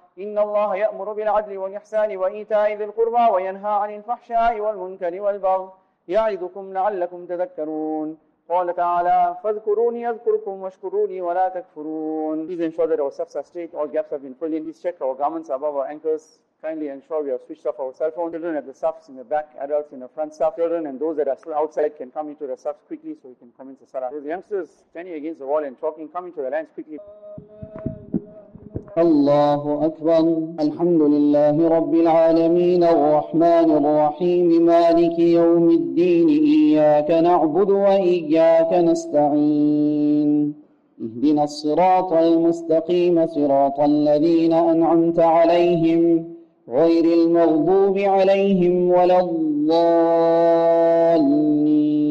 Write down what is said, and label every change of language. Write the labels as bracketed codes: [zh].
[ar] إن الله يأمر بالعدل والإحسان وإيتاء ذي القربى وينهى عن الفحشاء والمنكر والبغي يعظكم لعلكم تذكرون قال تعالى فاذكروني أذكركم واشكروني ولا تكفرون [en] Please ensure that our steps are straight, all gaps have been filled in. Please check our garments above our ankles. Kindly ensure we have switched off our cell phones. Children at the stuffs in the back, adults in the front stuff. Children and those that are still outside can come into the stuffs quickly so we can come into Salah. The youngsters standing against the wall and talking, come into the lines quickly. [ar] الله أكبر الحمد لله رب العالمين الرحمن الرحيم مالك يوم الدين إياك نعبد وإياك نستعين اهدنا الصراط المستقيم صراط الذين أنعمت عليهم غير المغضوب عليهم ولا الضالين